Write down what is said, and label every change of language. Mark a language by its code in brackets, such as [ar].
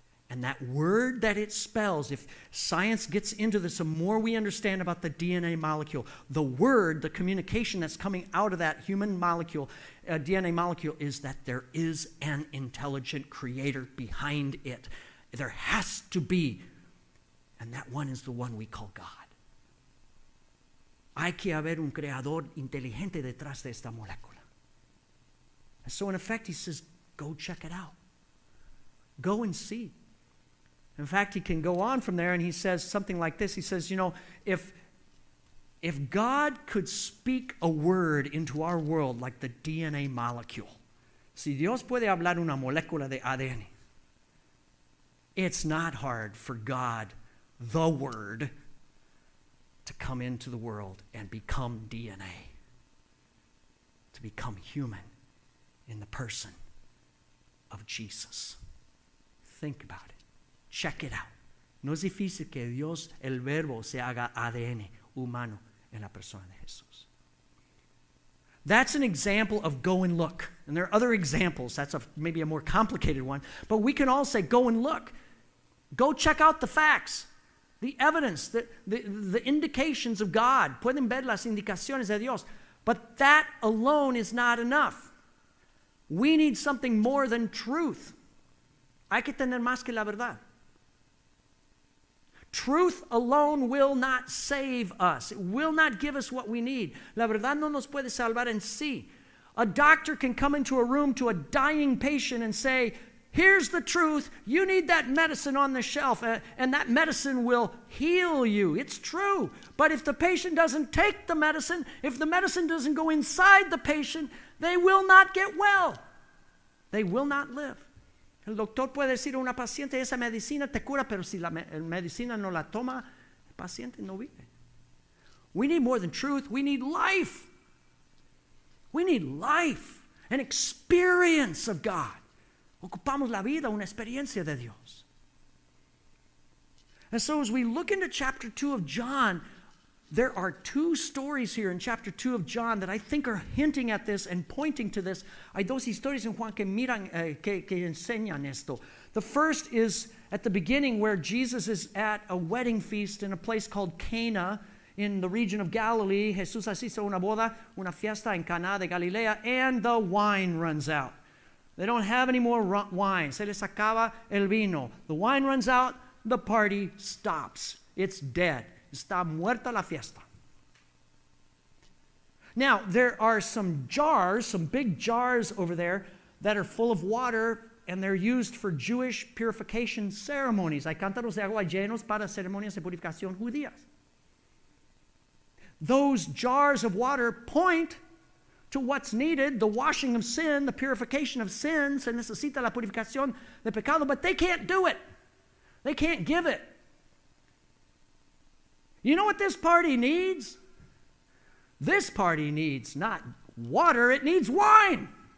[en] And that word that it spells, if science gets into this, the more we understand about the DNA molecule, the word, the communication that's coming out of that human molecule, DNA molecule, is that there is an intelligent creator behind it. There has to be. And that one is the one we call God. [es] Hay que haber un creador inteligente detrás de esta molécula. [en] And so in effect, he says, go check it out. Go and see. In fact, he can go on from there, and he says something like this. He says, you know, If God could speak a word into our world like the DNA molecule, [es] si Dios puede hablar una molécula de ADN, [en] it's not hard for God, the Word, to come into the world and become DNA, to become human in the person of Jesus. Think about it. Check it out. [es] No es difícil que Dios, el Verbo, se haga ADN humano en la persona de Jesús. [en] That's an example of go and look. And there are other examples. That's maybe a more complicated one. But we can all say, go and look. Go check out the facts, the evidence, the indications of God. [es] Pueden ver las indicaciones de Dios. [en] But that alone is not enough. We need something more than truth. [es] Hay que tener más que la verdad. [en] Truth alone will not save us. It will not give us what we need. [es] La verdad no nos puede salvar en sí. [en] A doctor can come into a room to a dying patient and say, here's the truth. You need that medicine on the shelf, and that medicine will heal you. It's true. But if the patient doesn't take the medicine, if the medicine doesn't go inside the patient, they will not get well. They will not live. [es] El doctor puede decir a una paciente, esa medicina te cura, pero si la medicina no la toma, el paciente no vive. [en] We need more than truth. We need life. We need life, an experience of God. [es] Ocupamos la vida, una experiencia de Dios. [en] And so as we look into chapter 2 of John, there are two stories here in chapter 2 of John that I think are hinting at this and pointing to this. [es] Hay dos historias en Juan que miran, que enseñan esto. [en] The first is at the beginning where Jesus is at a wedding feast in a place called Cana in the region of Galilee. [es] Jesús asiste a una boda, una fiesta en Cana de Galilea, [en] and the wine runs out. They don't have any more wine. [es] Se les acaba el vino. [en] The wine runs out, the party stops. It's dead. [es] Está muerta la fiesta. [en] Now, there are some jars, some big jars over there that are full of water, and they're used for Jewish purification ceremonies. [es] Hay cántaros de agua llenos para ceremonias de purificación judías. [en] Those jars of water point to what's needed, the washing of sin, the purification of sin. [es] Se necesita la purificación de pecado, [en] but they can't do it. They can't give it. You know what this party needs? This party needs not water, it needs wine.